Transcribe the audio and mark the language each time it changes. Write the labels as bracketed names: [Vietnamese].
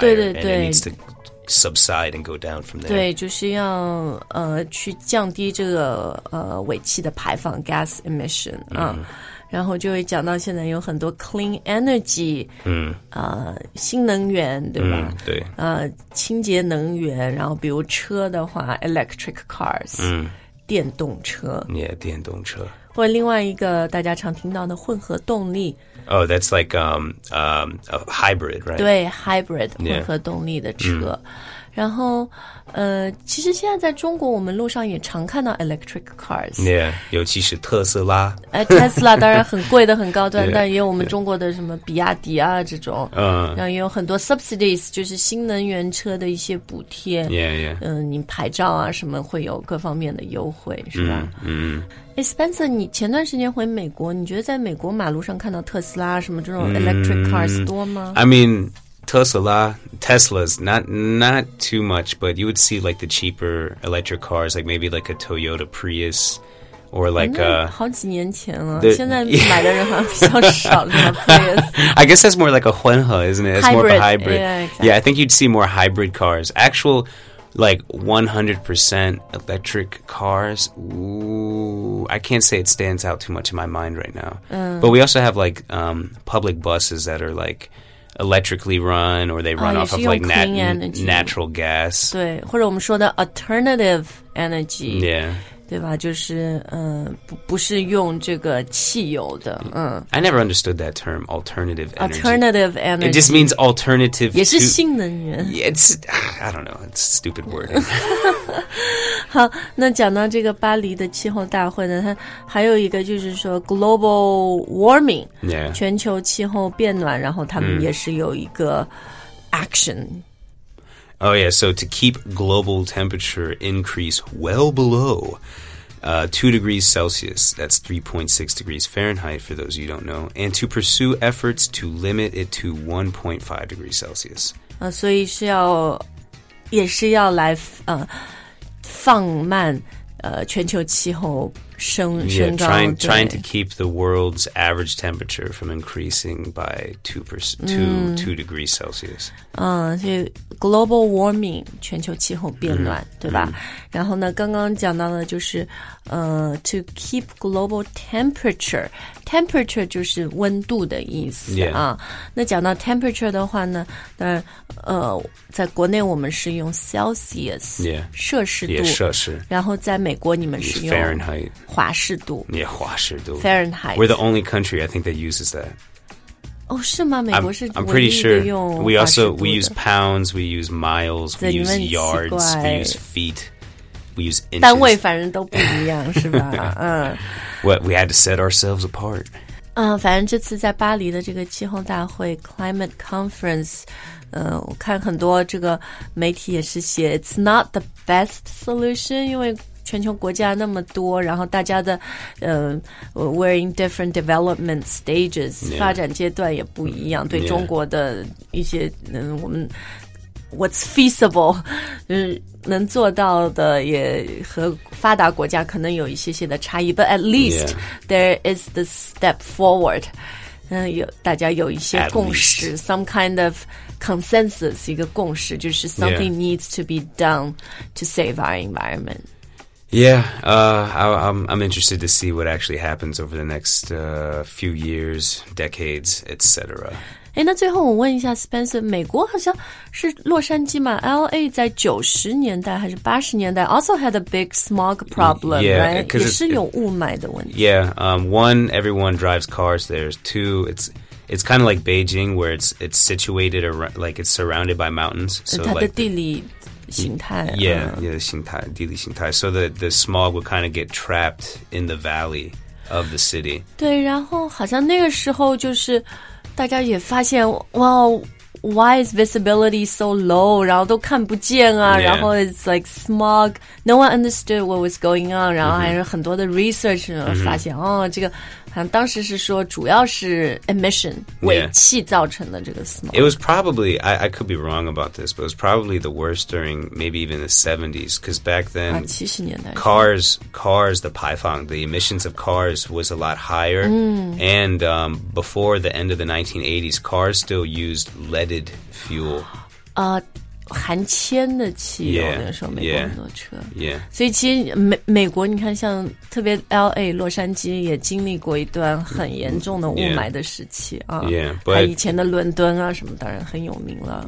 [Chinese] 对对对 [English] and it needs to subside and go down from there. [Chinese] 对，就是要去降低这个尾气的排放 [English] gas emission. [Chinese] 然后就会讲到现在有很多 [English] clean energy, [Chinese] 新能源，对吧？对。清洁能源，然后比如车的话 ， [English] electric cars, [Chinese] 电动车。 Yeah, 电动车。或另外一个大家常听到的混合动力 [English] Oh, that's like a hybrid, right? [Chinese] 对 ,hybrid, 混合动力的车、yeah. 然后其实现在在中国我们路上也常看到 [English] electric cars [Chinese] Yeah, 尤其是特斯拉 Tesla 当然很贵的很高端 yeah, 但也有我们中国的什么比亚迪啊这种、然后也有很多 subsidies 就是新能源车的一些补贴 [English] Yeah, yeah、 [Chinese] 你牌照啊什么会有各方面的优惠是吧Spencer, 你前段时间回美国，你觉得在美国马路上看到特斯拉什么这种 [English] electric cars [Chinese] 多吗？ [English] I mean, Teslas, not too much, but you would see like the cheaper electric cars, like maybe like a Toyota Prius, or like a... [Chinese] 好几年前了，现在买的人好像比较少了。 [English] Prius. I guess that's more like a 混合 isn't it? It's hybrid, more of a hybrid. Yeah,、exactly. yeah, I think you'd see more hybrid cars. Actual... Like 100% electric cars. Ooh, I can't say it stands out too much in my mind right now. But we also have like、public buses that are like electrically run or they run off of like natural gas. [Chinese] 对，或者我们说的 [English] alternative energy. Yeah. [Chinese] 对吧就是、不是用这个汽油的、 [English] I never understood that term, alternative energy. Alternative energy. It just means alternative [Chinese] 也是新能源。 [English] It's, I don't know, it's a stupid word. [Chinese] 好那讲到这个巴黎的气候大会呢它还有一个就是说 [English] global warming,、 yeah. [Chinese] 全球气候变暖然后他们也是有一个 action. [English] Oh, yeah, so to keep global temperature increase well below 2 degrees Celsius, that's 3.6 degrees Fahrenheit, for those of you who don't know, and to pursue efforts to limit it to 1.5 degrees Celsius. [Chinese] 所以是要也是要来放慢全球气候 [English] trying to keep the world's average temperature from increasing by 2 degrees Celsius. [Chinese] 所以 [English] global warming, [Chinese] 全球气候变暖、对吧、然后呢刚刚讲到的就是 [English] to keep global temperature, [Chinese] temperature 就是温度的意思、那讲到 temperature 的话呢当然在国内我们是用 Celsius、摄氏度、摄氏然后在美国你们是用 [English] Fahrenheit [Chinese] 华氏度 yeah, 华氏度 [English] Fahrenheit We're the only country I think that uses that [Chinese] 哦，是吗？美国是唯一的用华氏度的。 [English] We also we use pounds, we use miles, we use yards, we use feet, we use inches. [Chinese] 单位反正都不一样，是吧？ [English] What we had to set ourselves apart. [Chinese] 反正这次在巴黎的这个气候大会 Climate Conference， 我看很多这个媒体也是写 [English] It's not the best solution， [Chinese] 因为全球国家那么多，然后大家的， [English] we're in different development stages， [Chinese] 发展阶段也不一样。对中国的一些，我们 [English] what's feasible， [Chinese] 能做到的也和发达国家可能有一些些的差异。 [English] But at least there is the step forward， [Chinese] 有大家有一些共识 [English] ，some kind of consensus， [Chinese] 一个共识就是 [English] something needs to be done to save our environment。 Yeah, I'm interested to see what actually happens over the next few years, decades, etc. [Chinese] 诶，那最后我问一下 Spencer, 美国好像是洛杉矶嘛 ,LA 在90年代还是80年代 [English] also had a big smog problem, right? [Chinese] 也是有雾霾的问题。 [English] One, everyone drives cars there. Two, it's kind of like Beijing where it's situated around, like it's surrounded by mountains. So [Chinese] 它的地理形态地理形态 [English] so the smog would kind of get trapped in the valley of the city [Chinese] 对然后好像那个时候就是大家也发现 [English] well why is visibility so low [Chinese] 然后都看不见啊、然后 [English] it's like smog no one understood what was going on [Chinese] 然后还是很多的 research 发现、这个好像当时是说主要是 emission 尾气造成的这个 smog [English] It was probably I could be wrong about this But it was probably the worst during maybe even the 70s Because back then [Chinese] 70年代 [English] Cars the [Chinese] 排放 [English] The emissions of cars was a lot higher、And before the end of the 1980s Cars still used leaded fuel [Chinese] 含铅的汽油 那时候美国很多车 [English] yeah. [Chinese] 所以其实 美国你看像特别 LA 洛杉矶也经历过一段很严重的雾霾的时期啊。 [English] But, [Chinese] 以前的伦敦啊什么当然很有名了